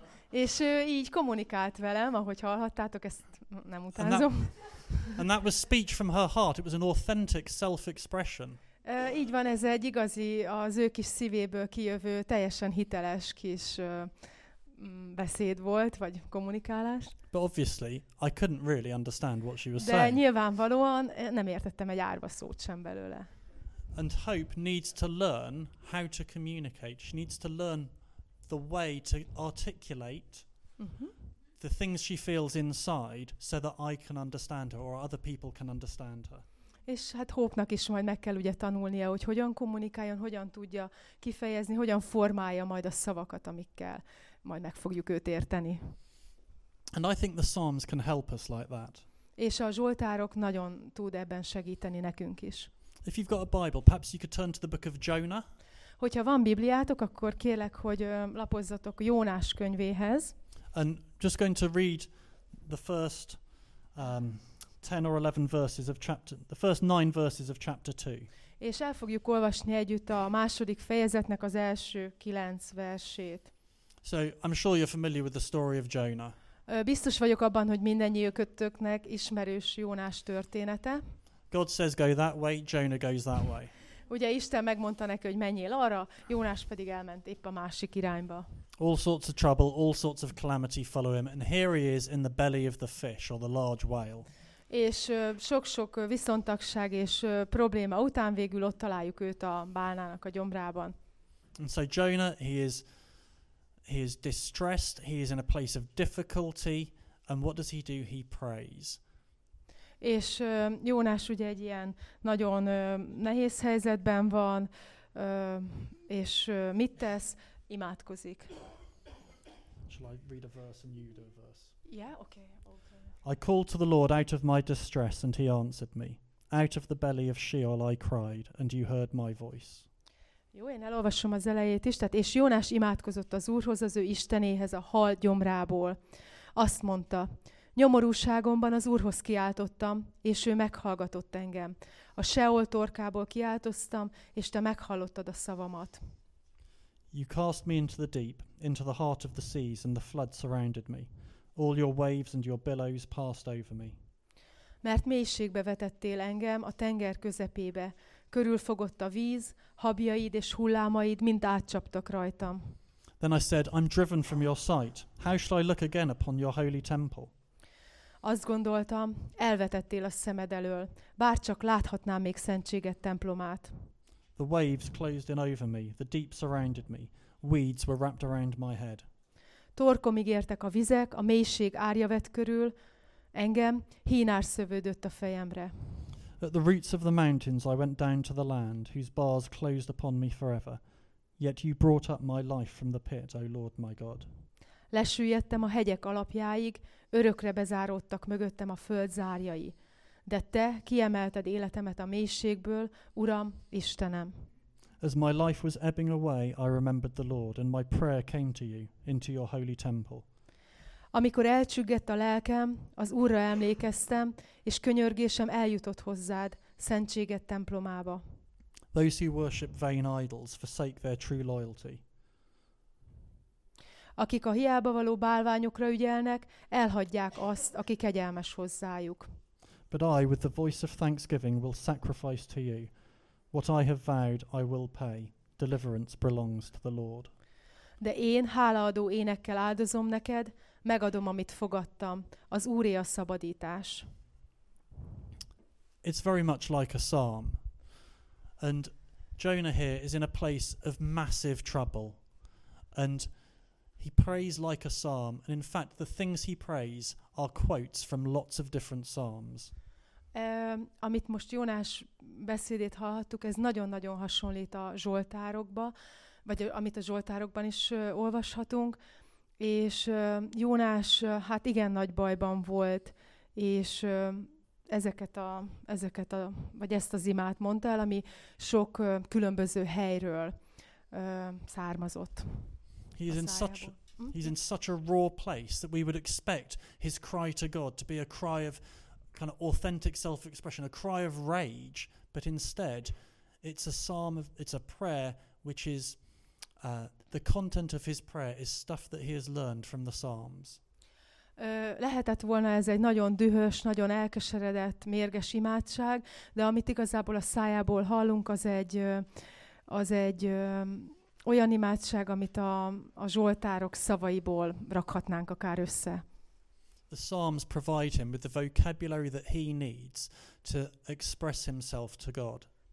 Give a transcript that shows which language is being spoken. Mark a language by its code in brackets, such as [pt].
[hu] És ő így kommunikált velem, ahogy hallhattátok, ezt nem utánzom. [en] And that was speech from her heart. It was an authentic self-expression. [hu] Így van, ez egy igazi, az ő kis szívéből kijövő, teljesen hiteles kis beszéd volt, vagy kommunikálás. [en] But obviously, I couldn't really understand what she was [hu] De [en] saying. [hu] De nyilvánvalóan nem értettem egy árva szót sem belőle. [en] And Hope needs to learn how to communicate. She needs to learn the way to articulate the things she feels inside so that I can understand her or other people can understand her. [hu] És hát Hope-nak is majd meg kell ugye tanulnia, hogy hogyan kommunikáljon, hogyan tudja kifejezni, hogyan formálja majd a szavakat, amikkel majd meg fogjuk őt érteni. [en] And I think the Psalms can help us like that. [hu] És a zsoltárok nagyon tud ebben segíteni nekünk is. [en] If you've got a Bible, perhaps you could turn to the book of Jonah. [hu] Hogyha van Bibliátok, akkor kérlek, hogy lapozzatok Jónás könyvéhez. [en] And just going to read the first 10 or 11 verses of chapter, the first 9 verses of chapter 2. [hu] És el fogjuk olvasni együtt a második fejezetnek az első 9 versét. [en] So I'm sure you're familiar with the story of Jonah. [hu] Biztos vagyok abban, hogy mindannyiótoknak ismerős Jónás története. [en] God says go that way, Jonah goes that way. [hu] Ugye Isten megmondta neki, hogy menjél arra, Jónás pedig elment épp a másik irányba. [en] All sorts of trouble, all sorts of calamity follow him, and here he is in the belly of the fish, or the large whale. [hu] És sok-sok viszontagság és probléma után végül ott találjuk őt a bálnának a gyomrában. [en] And so Jonah, he is distressed, he is in a place of difficulty, And what does he do? He prays. [hu] És Jónás ugye egy ilyen nagyon nehéz helyzetben van, és mit tesz? Imádkozik. [en] Shall I read a verse and you do a verse? Yeah, okay. I called to the Lord out of my distress, and he answered me. Out of the belly of Sheol I cried, and you heard my voice. [hu] Jó, én elolvasom az elejét is. Tehát, és Jónás imádkozott az Úrhoz, az ő Istenéhez a hal gyomrából. Azt mondta, nyomorúságomban az Úrhoz kiáltottam, és ő meghallgatott engem. A Sheol torkából kiáltoztam, és te meghallottad a szavamat. [en] You cast me into the deep, into the heart of the seas, and the flood surrounded me. All your waves and your billows passed over me. [hu] Mert mélységbe vetettél engem a tenger közepébe. Körülfogott a víz, habjaid és hullámaid mind átcsaptak rajtam. [en] Then I said, I'm driven from your sight. How shall I look again upon your holy temple? [hu] Azt gondoltam, elvetettél a szemed elől. Bárcsak láthatnám még szentséget templomát. [en] The waves closed in over me. The deep surrounded me. Weeds were wrapped around my head. [hu] Torkomig értek a vizek, a mélység árja vett körül, engem hínár szövődött a fejemre. [en] At the roots of the mountains I went down to the land, whose bars closed upon me forever. Yet you brought up my life from the pit, O Lord my God. [hu] Lesüllyedtem a hegyek alapjáig, örökre bezáródtak mögöttem a föld zárjai. De te kiemelted életemet a mélységből, Uram, Istenem. [en] As my life was ebbing away, I remembered the Lord, and my prayer came to you, into your holy temple. [hu] Amikor elcsüggett a lelkem, az Úrra emlékeztem, és könyörgésem eljutott hozzád, szentséged templomába. [en] Those who worship vain idols forsake their true loyalty. [hu] Akik a hiába való bálványokra ügyelnek, elhagyják azt, aki kegyelmes hozzájuk. [en] But I, with the voice of thanksgiving, will sacrifice to you. What I have vowed, I will pay. Deliverance belongs to the Lord. [hu] De én hálaadó énekkel áldozom neked, megadom, amit fogadtam. Az Úré a szabadítás. [en] It's very much like a psalm. And Jonah here is in a place of massive trouble. And he prays like a psalm. And in fact, the things he prays are quotes from lots of different psalms. [hu] Amit most Jónás beszédét hallhattuk, ez nagyon-nagyon hasonlít a Zsoltárokba, vagy amit a Zsoltárokban is olvashatunk, és Jónás hát igen nagy bajban volt, és ezt az imát mondta el, ami sok különböző helyről származott. [en] He's in such a raw place that we would expect his cry to God to be a cry of kind of authentic self-expression, a cry of rage, but instead it's a prayer which is the content of his prayer is stuff that he has learned from the Psalms. [hu] Lehetett volna ez egy nagyon dühös, nagyon elkeseredett, mérges imádság, de amit igazából a szájából hallunk, az egy olyan imádság, amit a Zsoltárok szavaiból rakhatnánk akár össze. [en] The Psalms provide him with the vocabulary that he needs to express himself to God.